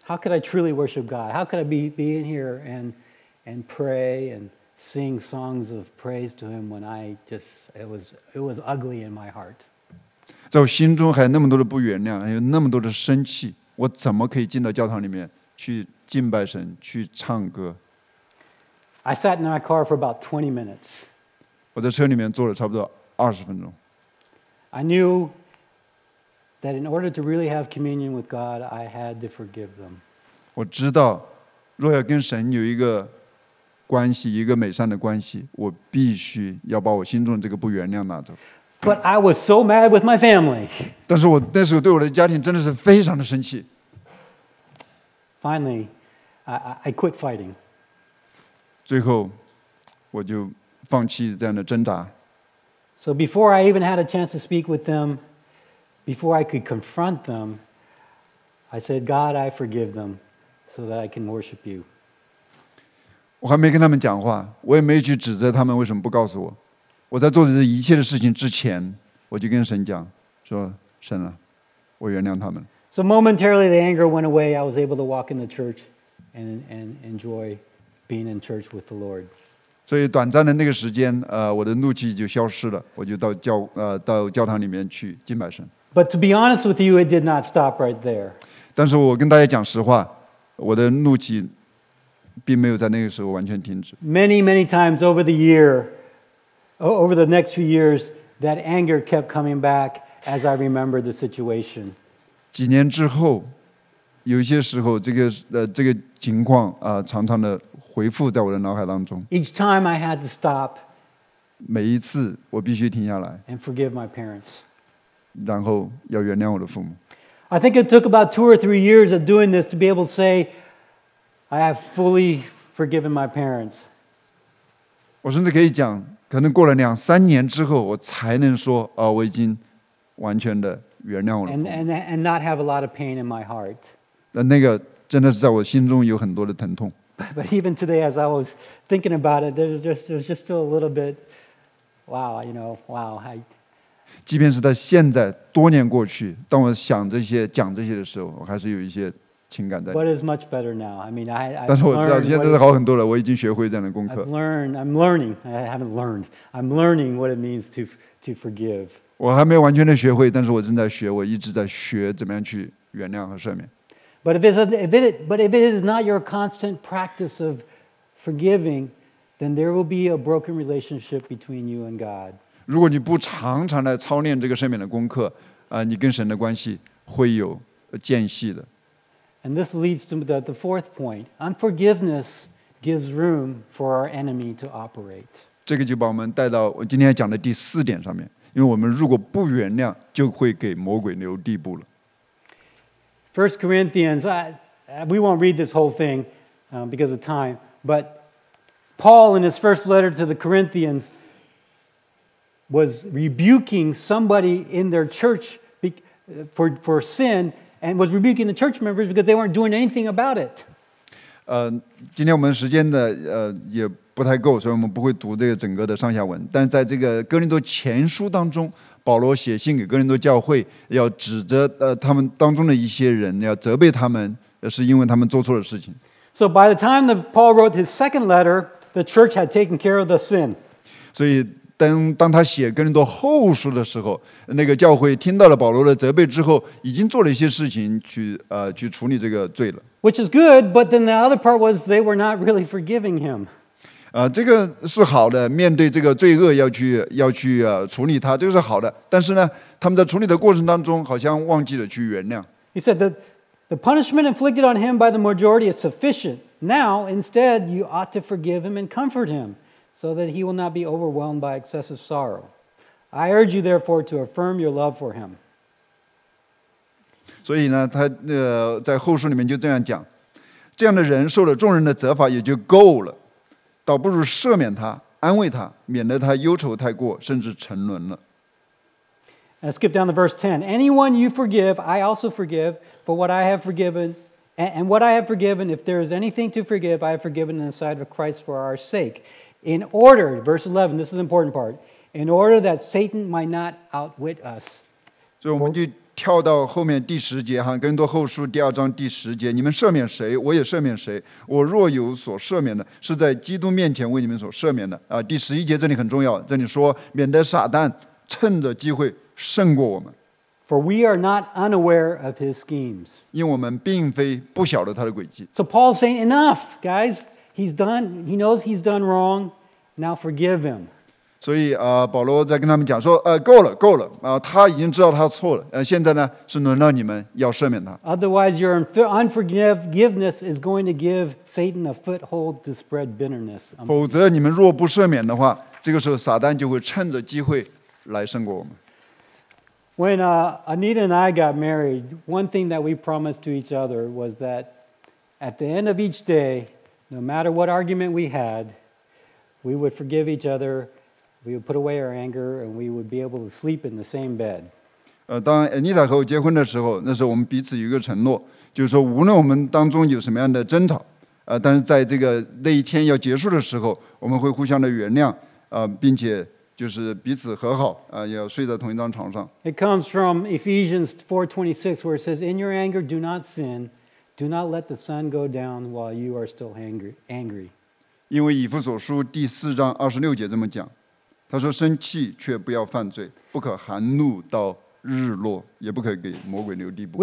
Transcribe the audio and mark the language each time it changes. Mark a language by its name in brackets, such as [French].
[English] How could I truly worship God? How could I be in here and pray and sing songs of praise to Him when I just it was ugly in my heart? [Chinese] 在我心中还有那么多的不原谅，还有那么多的生气，我怎么可以进到教堂里面去敬拜神，去唱歌？ [English] I sat in my car for about 20 minutes. [Chinese] 我在车里面坐了差不多20分钟。 [English] I knew that in order to really have communion with God, I had to forgive them. [Chinese] 我知道，若要跟神有一个关系，一个美善的关系，我必须要把我心中这个不原谅拿走。 [English] But I was so mad with my family. [Chinese] 但是我那时候对我的家庭真的是非常的生气。 [English] Finally, I quit fighting. [Chinese] 最后我就放弃这样的挣扎。 [English] So before I even had a chance to speak with them, before I could confront them, I said, God, I forgive them so that I can worship you. [Chinese] 我还没跟他们讲话，我也没去指责他们为什么不告诉我。我在做这一切的事情之前，我就跟神讲说，神啊，我原谅他们。 [English] So momentarily the anger went away. I was able to walk in the church and enjoy being in church with the Lord. [Chinese] 所以短暂的那个时间，我的怒气就消失了，我就到教堂里面去敬拜神。 [English] But to be honest with you, it did not stop right there. [Chinese] 但是我跟大家讲实话，我的怒气并没有在那个时候完全停止。 [English] Many, many times over the year, over the next few years, that anger kept coming back as I remembered the situation. [Chinese] 几年之后，有些时候这个情况常常的回复在我的脑海当中。 [English] Each time I had to stop, [Chinese] 每一次我必须停下来。 [English] And forgive my parents. [Chinese] 然后要原谅我的父母。 [English] I think it took about 2 or 3 years of doing this to be able to say, I have fully forgiven my parents. [Chinese] 我甚至可以讲，可能过了两三年之后，我才能说，我已经完全的原谅我的父母。 [English] And not have a lot of pain in my heart. [Chinese] 那个真的是在我心中有很多的疼痛。 [English] But even today, as I was thinking about it, there's just still a little bit, wow, you know, wow. [Chinese] 即便是在现在，多年过去，当我想这些、讲这些的时候，我还是有一些情感在。 [English] But it's much better now. I mean, I. [Chinese] 但是我知道现在是好很多了。我已经学会这样的功课。 [English] I'm learning what it means to forgive. [Chinese] 我还没有完全的学会，但是我正在学。我一直在学怎么样去原谅和赦免。 [English] But if it is not your constant practice of forgiving, then there will be a broken relationship between you and God. [Chinese] 如果你不常常来操练这个赦免的功课，你跟神的关系会有间隙的。 [English] And this leads to the fourth point. Unforgiveness gives room for our enemy to operate. [Chinese] 这个就把我们带到我今天讲的第四点上面，因为我们如果不原谅，就会给魔鬼留地步了。 [English] 1 Corinthians, we won't read this whole thing because of time, but Paul in his first letter to the Corinthians was rebuking somebody in their church for sin and was rebuking the church members because they weren't doing anything about it. [Chinese] 今天我们时间的也不太够，所以我们不会读这个整个的上下文。但在这个哥林多前书当中，保罗写信给哥林多教会，要指着他们当中的一些人，要责备他们，是因为他们做错了事情。 [English] So by the time that Paul wrote his second letter, the church had taken care of the sin. [Chinese] 所以当他写哥林多后书的时候，那个教会听到了保罗的责备之后，已经做了一些事情去处理这个罪了。 [English] Which is good, but then the other part was they were not really forgiving him. [Chinese] 这个是好的，面对这个罪恶要去处理他，这个是好的。但是呢，他们在处理的过程当中，好像忘记了去原谅。 [English] He said that the punishment inflicted on him by the majority is sufficient. Now, instead, you ought to forgive him and comfort him. So that he will not be overwhelmed by excessive sorrow. I urge you therefore to affirm your love for him. [Chinese] 所以呢，他在后书里面就这样讲，这样的人受了众人的责罚也就够了，倒不如赦免他，安慰他，免得他忧愁太过，甚至沉沦了。 [English] And skip down to verse 10. Anyone you forgive, I also forgive. For what I have forgiven, and what I have forgiven, if there is anything to forgive, I have forgiven in the sight of Christ for our sake. In order, verse 11, this is the important part, in order that Satan might not outwit us. [Chinese] 所以我们就跳到后面第十节，哥林多后书第二章第十节，你们赦免谁，我也赦免谁，我若有所赦免的，是在基督面前为你们所赦免的。第十一节这里很重要，这里说，免得撒旦趁着机会胜过我们。 [English] For we are not unaware of his schemes. [Chinese] 因为我们并非不晓得他的诡计。 [English] So Paul's saying, enough, guys. He's done. He knows he's done wrong. Now forgive him. [Chinese] 所以保罗在跟他们讲说，够了，够了，他已经知道他错了，现在呢是轮到你们要赦免他。 [English] Otherwise, your unforgiveness is going to give Satan a foothold to spread bitterness. [Chinese] 否则你们若不赦免的话，这个时候撒旦就会趁着机会来胜过我们。 [English] When Anita and I got married, one thing that we promised to each other was that at the end of each day. No matter what argument we had, we would forgive each other, we would put away our anger, and we would be able to sleep in the same bed. [Chinese] 当 Anita 和我结婚的时候，那时候我们彼此有一个承诺，就是说无论我们当中有什么样的争吵，但是在这个那一天要结束的时候，我们会互相的原谅，并且就是彼此和好，要睡在同一张床上。 [English] It comes from Ephesians 4:26, where it says, In your anger, do not sin. Do not let the sun go down while you are still angry. [Chinese] 因为以弗所书第四章二十六节这么讲，他说：“生气却不要犯罪，不可含怒到日落，也不可给魔鬼留地步。”